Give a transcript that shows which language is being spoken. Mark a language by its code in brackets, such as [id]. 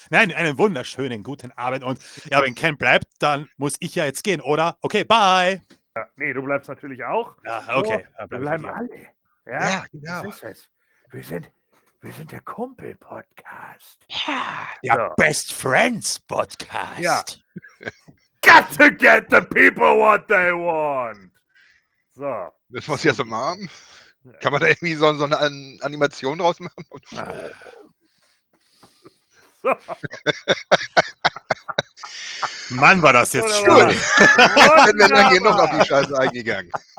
[de] Nein, einen wunderschönen guten Abend. Und ja, wenn Ken bleibt, dann muss ich ja jetzt gehen, oder? Okay, bye. Ja, nee, du bleibst natürlich auch. Ja, okay. Wir bleiben alle. Ja, genau. Was ist es? Wir sind der Kumpel-Podcast. Ja, der Best Friends-Podcast. Ja. [en] Got to get the people what they want. [de] So. Das muss ich jetzt mal haben. Kann man da irgendwie so eine Animation draus machen? Mann, war das jetzt schön. Ich bin dann genug auf die Scheiße eingegangen.